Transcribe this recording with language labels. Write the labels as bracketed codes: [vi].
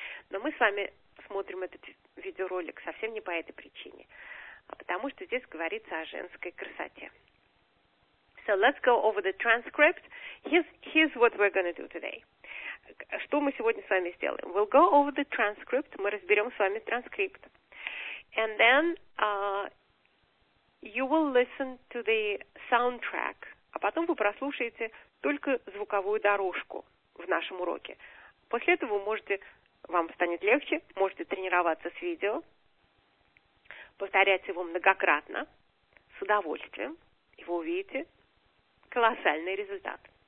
[ru] Но мы с вами смотрим этот видеоролик совсем не по этой причине, а потому что здесь говорится о женской красоте. [en] So let's go over the transcript. Here's what we're going to do today. [ru] Что мы сегодня с вами сделаем? [en] We'll go over the transcript. [ru] Мы разберем с вами транскрипт. [en] And then you will listen to the soundtrack. [ru] А потом вы прослушаете только звуковую дорожку в нашем уроке. После этого вы можете, вам станет легче, можете тренироваться с видео, повторять его многократно, с удовольствием, и вы увидите колоссальный результат.